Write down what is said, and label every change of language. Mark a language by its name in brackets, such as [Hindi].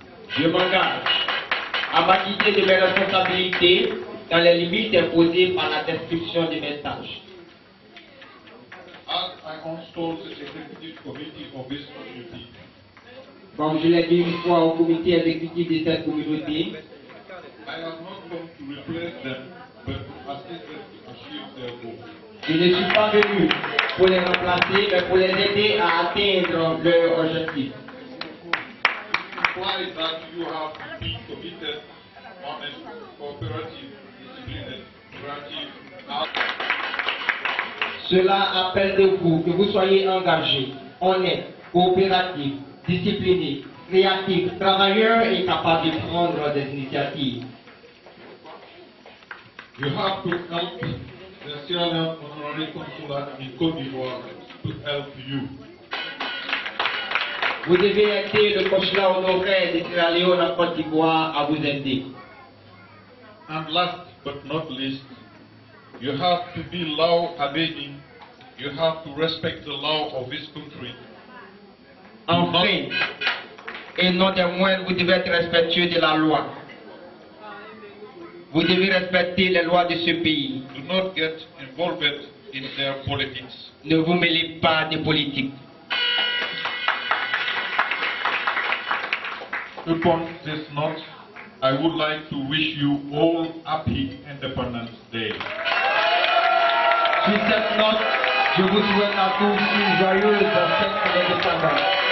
[French] Je m'engage à m'acquitter de mes responsabilités dans les limites imposées par la description de mes tâches. [English] As I install the executive committee of this community. [French] Comme je l'ai dit une fois au comité exécutif de cette communauté, [English] I have not come to replace them, but to assist them to achieve their goals. [French] Je ne suis pas venu pour les remplacer, mais pour les aider à atteindre leur objectif. [English] Why is that you have been committed on a cooperative, discipline, creative art? [French] Cela appelle de vous que vous soyez engagé, honnête, coopératif, discipliné, créatif, travailleur et capable de prendre des initiatives. [English] You have to help the Sierra Leone Honorary Consulate in Côte d'Ivoire to help you. [French] Vous devez aider le consulat honoraire de Sierra Leone en Côte d'Ivoire à vous aider. [English] And last but not least, you have to be law abiding. You have to respect the law of this country. [French] Enfin, et non des moindres, vous devez être respectueux de la loi. Vous devez respecter les lois de ce pays. [English] Do not get involved in their politics. [French] ne vous mêlez pas des politiques. [English] Upon this note, I would like to wish you all happy Independence Day. [French] Sur cette note, je vous souhaite à tous une joyeuse fête d'indépendance.